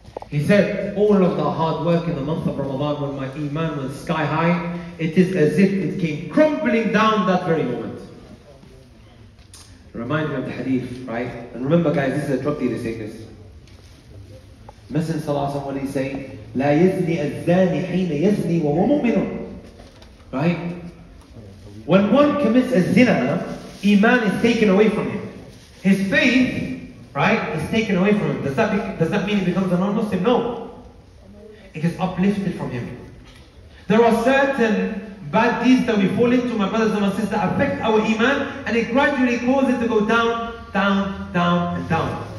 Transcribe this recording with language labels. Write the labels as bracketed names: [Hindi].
[English] He said, all of the hard work in the month of Ramadan when my iman was sky high, it is as if it came crumbling down that very moment. Remind me of the hadith, right? And remember, guys, this is a drug dealer saying this. [Arabic] Messenger صلى الله عليه وسلم, [English] what he's saying, [Arabic] لا يزني الزاني حين يزني وهو مؤمن. [English] Right? When one commits a zina, iman is taken away from him. His faith, right, is taken away from him. Does that mean he becomes a non-Muslim? No. It is uplifted from him. There are certain bad deeds that we fall into, my brothers and my sisters, that affect our iman, and it gradually causes it to go down, down, down, and down.